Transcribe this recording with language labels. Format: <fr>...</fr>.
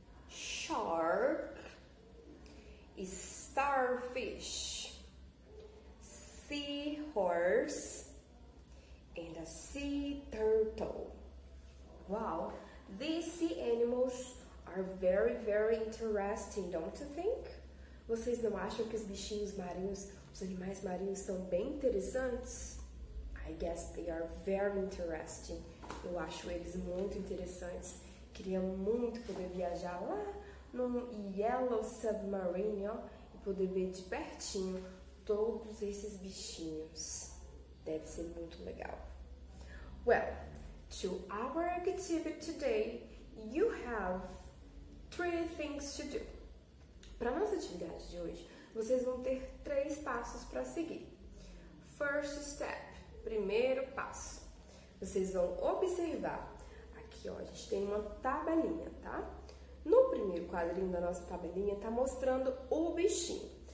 <en>Shark. Starfish. Seahorse. And a sea turtle. Wow, these sea animals are very, very interesting, don't you think?</en> <pt>Vocês não acham que os bichinhos marinhos, os animais marinhos são bem interessantes?</pt> <en>I guess they are very interesting.</en> <pt>Eu acho eles muito interessantes. Queria muito poder viajar lá num Yellow Submarine, ó, e poder ver de pertinho todos esses bichinhos. Deve ser muito legal.</pt> <en>Well, to our activity today, you have three things to do.</en> <pt>Para nossa atividade de hoje, vocês vão ter três passos para seguir.</pt> <en>First step,</en> <pt>primeiro passo. Vocês vão observar. Aqui, ó, a gente tem uma tabelinha, tá? No primeiro quadrinho da nossa tabelinha, está mostrando o bichinho.</pt>